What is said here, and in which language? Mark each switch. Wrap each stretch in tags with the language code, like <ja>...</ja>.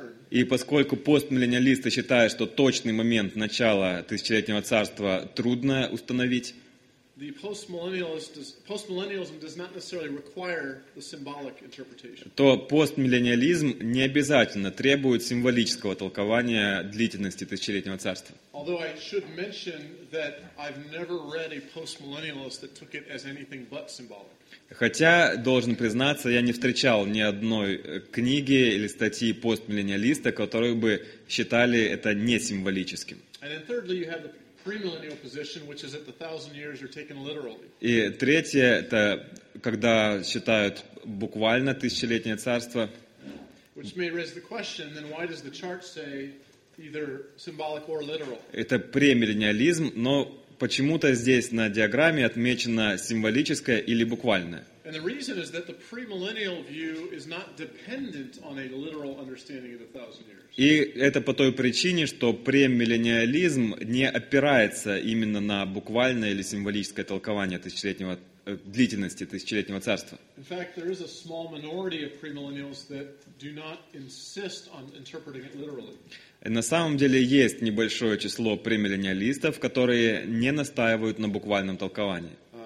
<ru>И поскольку постмиллениалисты считают, что точный момент начала тысячелетнего царства трудно установить,</ru> <en>the postmillennialism does not necessarily require the symbolic interpretation.</en> <ru>То постмиллениализм не обязательно требует символического толкования длительности тысячелетнего царства.</ru> <en>Although I should mention that I've never read a postmillennialist that took it as anything but symbolic.</en> <ru>Хотя, должен признаться, я не встречал ни одной книги или статьи постмиллениалиста, которые бы считали это не символическим.</ru> <en>And then thirdly, you have the premillennial position, which is that the thousand years are taken literally.</en> <ru>И третье это когда считают буквально тысячелетнее царство.</ru> <en>Which may raise the question, then why does the chart say either symbolic or literal?</en> <ru>Это премиллениализм, но почему-то здесь на диаграмме отмечено символическое или буквальное.</ru> <en>And the reason is that the premillennial view is not dependent on a literal understanding of the thousand years.</en> <ru>И это по той причине, что премиллениализм не опирается именно на буквальное или символическое толкование тысячелетнего длительности тысячелетнего царства.</ru> <en>In fact, there is a small minority of premillennials that do not insist on interpreting it literally.</en> <ru>На самом деле есть небольшое число премиллениалистов, которые не настаивают на буквальном толковании.</ru>